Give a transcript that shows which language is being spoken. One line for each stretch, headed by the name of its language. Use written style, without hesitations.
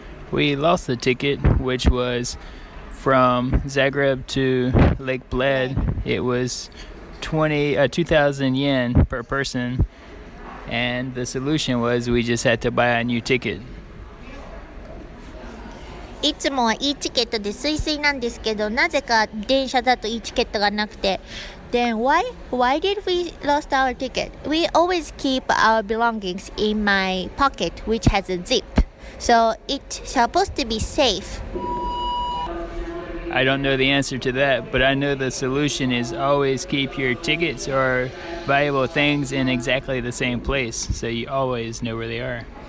English: We lost the ticket, which was from Zagreb to Lake Bled. It was 2,000 yen per person, and the solution was we just had to buy a new ticket.
Japanese: いつもはいいチケットでスイスイなんですけど、なぜか電車だといいチケットがなくて。
English: Then why did we lost our ticket? We always keep our belongings in my pocket, which has a zip. So it's supposed to be safe. I don't know the answer to that, but I know the solution is always keep your tickets or valuable things in exactly the same place, so you always know where they are.